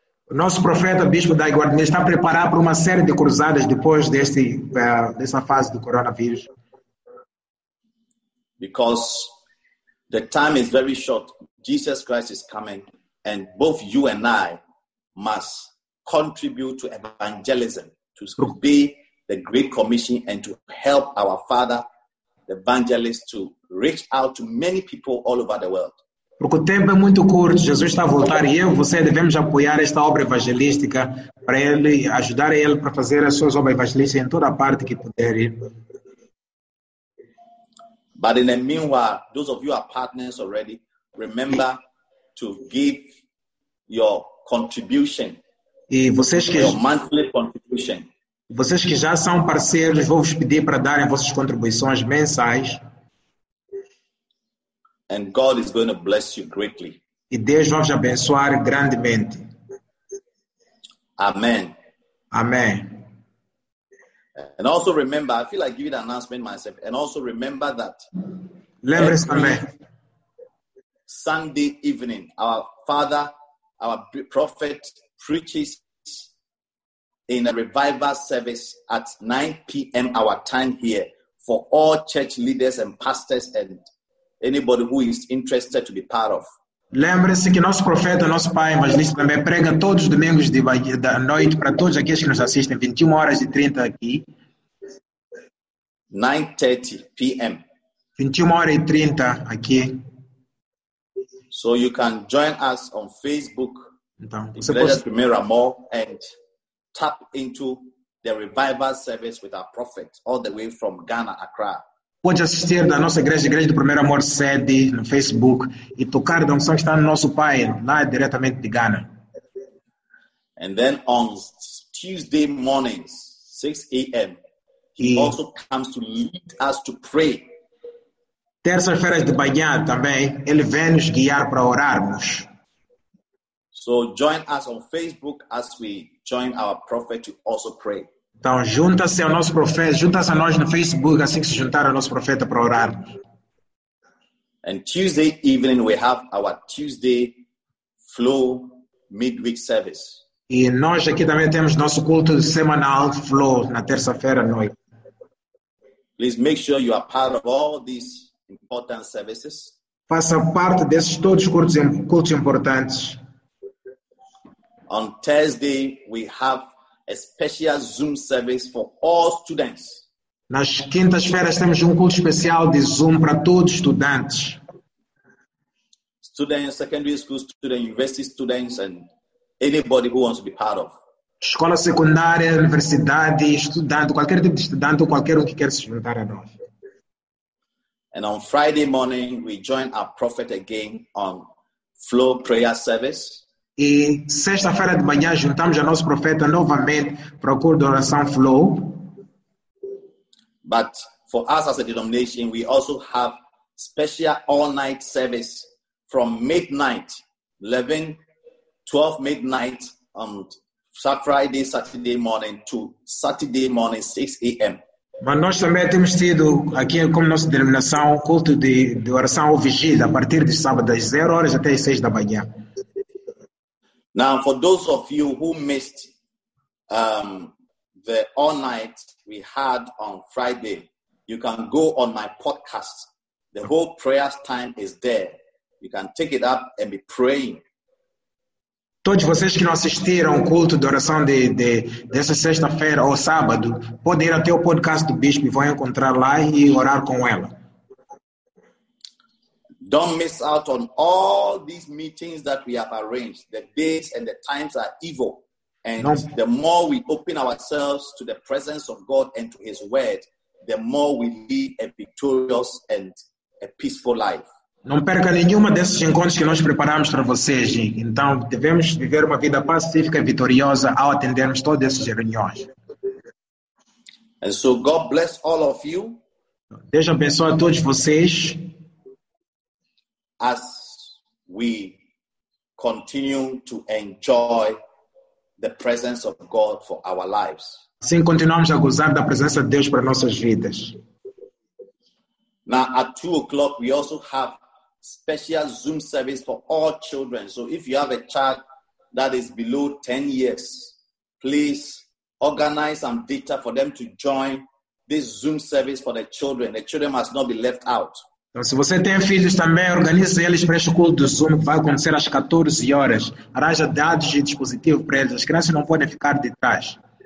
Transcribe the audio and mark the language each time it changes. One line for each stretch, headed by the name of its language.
Portuguese: O nosso profeta, Bispo da Iguardia, está preparado para uma série de cruzadas depois dessa fase do coronavírus.
English: Because the time is very short. Jesus Christ is coming and both you and I must contribute to evangelism, to obey the Great Commission and to help our Father, the evangelist, to reach out to many people all over the world.
Portuguese: Porque o tempo é muito curto, Jesus está a voltar e eu e você devemos apoiar esta obra evangelística para ele, ajudar ele para fazer as suas obras evangelísticas em toda a parte que puder.
English: But in the meanwhile, those of you who are partners already, remember to give your contribution.
Portuguese: E vocês que,
English: your monthly contribution.
Portuguese: Vocês que já são parceiros, vou vos pedir para darem vossas contribuições mensais.
English: And God is going to bless you greatly.
Portuguese: E Deus vai te abençoar grandemente.
English: Amen. Amen. And also remember, I feel like giving an announcement myself. And also remember that.
Portuguese: Lembre-se também.
English: Sunday evening, our Father, our prophet preaches in a revival service at 9 p.m. our time here for all church leaders and pastors and anybody who is interested to be part of.
Portuguese: Lembre-se que nosso profeta, nosso pai, evangelista também prega todos os domingos da noite para todos aqueles que nos assistem, 21 horas e 30 aqui.
English: 9:30 p.m.
Portuguese: 21 horas e 30 aqui.
English: So you can join us on Facebook.
Portuguese: Então, você pode primeiro amor
English: and tap into the revival service with our prophet all the way from Ghana, Accra.
Portuguese: Pode assistir da nossa igreja do Primeiro Amor sede no Facebook e tocar da unção que está no nosso pai lá diretamente de Ghana.
English: And then on Tuesday mornings 6 a.m. he also comes to lead us to pray.
Portuguese: Terça-feira de manhã também ele vem nos guiar para orarmos.
English: So join us on Facebook as we join our prophet to also pray.
Portuguese: Então junta-se ao nosso profeta, junta-se a nós no Facebook assim que se juntar ao nosso profeta para orar.
English: And Tuesday evening we have our Tuesday flow midweek service.
Portuguese: E nós aqui também temos nosso culto semanal flow na terça-feira à noite.
English: Please make sure you are part of all these important services.
Portuguese: Faça parte desses todos os cultos importantes.
English: On Thursday we have a special Zoom service for all students.
Portuguese: Nas quintas-feiras temos culto especial de Zoom para todos os estudantes.
English: Students, secondary school students, university students, and anybody who wants to be part of.
Portuguese: Escola secundária, universidade, estudante, qualquer tipo de estudante ou qualquer um que quer se juntar a nós.
English: And on Friday morning, we join our prophet again on flow prayer service.
Portuguese: E sexta-feira de manhã juntamos a nosso profeta novamente para o culto de oração flow.
English: But for us as a denomination, we also have special all-night service from midnight, 11, 12 midnight on Friday, Saturday morning to Saturday morning, 6 a.m.
Portuguese: Mas nós também temos tido aqui como nossa denominação o culto de oração ou vigília a partir de sábado das 0 horas até as 6 da manhã.
English: Now, for those of you who missed the all night we had on Friday, you can go on my podcast. The whole prayer time is there. You can take it up and be praying.
Portuguese: Todos vocês que não assistiram ao culto de oração dessa sexta-feira ou sábado, podem ir até o podcast do bispo e vão encontrar lá e orar com ela.
English: Don't miss out on all these meetings that we have arranged. The dates and the times are evil. And the more we open ourselves to the presence of God and to His word, the more we lead a victorious and a peaceful life.
Portuguese: Não perca nenhuma desses encontros que nós preparamos para vocês. Então, devemos viver uma vida pacífica e vitoriosa ao atendermos todas essas reuniões.
English: And so, God bless all of you.
Portuguese: Deus abençoe a todos vocês.
English: As we continue to enjoy the presence of God for our lives.
Portuguese: Assim continuamos a gozar da presença de Deus para nossas vidas.
English: Now at 2 o'clock we also have special Zoom service for all children. So if you have a child that is below 10 years, please organize some data for them to join this Zoom service for the children. The children must not be left out.
Portuguese: Então, se você tem filhos também, organize eles para este culto do Zoom, que vai acontecer às 14 horas. Arranja dados e dispositivos para eles. As crianças não podem ficar de trás.